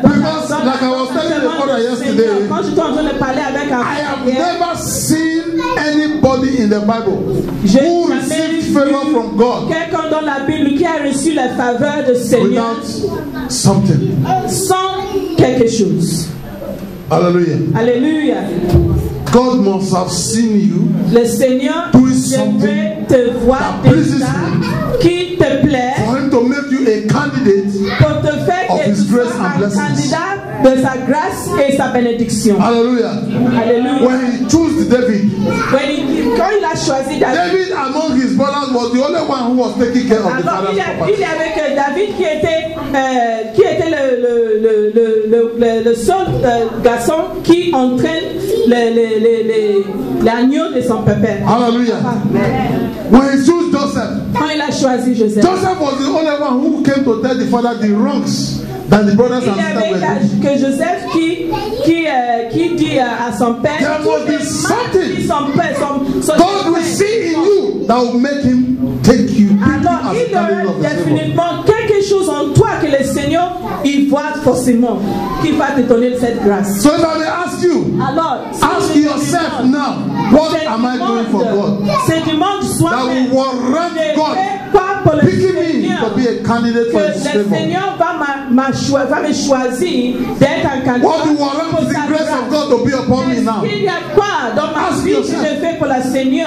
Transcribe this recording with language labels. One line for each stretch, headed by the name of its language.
English: Because, like I was telling the father yesterday, I have never seen anybody in the Bible who received favor from God.
French: Quelqu'un dans la Bible qui a reçu la faveur de Seigneur.
English: Without something.
French: Sans quelque chose.
English: Hallelujah. Hallelujah. God must have seen you.
French: Le Seigneur
English: doing something
French: te voir
English: that pleases him.
French: Qui te plaît
English: for him to make you a candidate
French: pour te faire
English: of his grace and blessings.
French: De sa grâce et sa bénédiction. Alléluia. Alléluia.
English: When he chose David. When he,
French: quand il a choisi David.
English: David among his brothers was the only one who was taking care of the father's property.
French: Il y avait que David qui était le seul garçon qui entraîne les agneaux de son père.
English: Alléluia. When he chose Joseph.
French: Quand il a choisi Joseph.
English: Joseph was the only one who came to tell the father the wrongs. That the brothers
French: il y avait que Joseph qui dit à son père.
English: There must be something.
French: Son père, son
English: God will see in you that will make him take you.
French: Alors il y aura définitivement quelque chose en toi que le Seigneur il voit forcément qui va te donner cette grâce.
English: So if I may ask you,
French: alors,
English: ask yourself now, what am I doing for God?
French: C'est du monde soi-même.
English: That will warrant God. To be a candidate for his favor.
French: Le Seigneur va me choisir d'être un candidat.
English: What do you want the grace of God to be upon me now?
French: Il y a quoi dans ma vie que je fais pour la Seigneur?